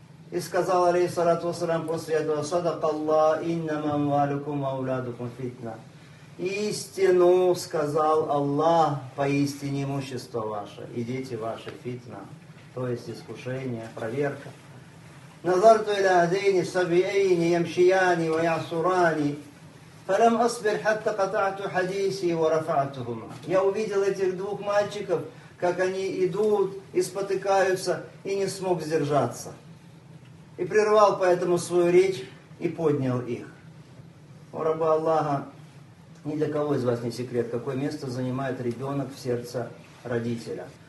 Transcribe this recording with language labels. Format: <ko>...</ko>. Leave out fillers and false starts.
<ru>И сказал, алейхиссалату вассалям, после этого,</ru> <ar>«Садак Аллах, иннам амвалюкум ваулядукум фитна».</ar> <ru>Истину сказал Аллах, поистине имущество ваше, и дети ваши фитна, то есть искушение, проверка.</ru> <ar>نظرت إلى هذين الصبيين يمشيان ويعصران فلم أصبر حتى قطعت حديثي ورفعتهما.</ar> <ru>Я увидел этих двух мальчиков, как они идут и спотыкаются, и не смог сдержаться. И прервал поэтому свою речь и поднял их. О рабы Аллаха, ни для кого из вас не секрет, какое место занимает ребенок в сердце родителя.</ru>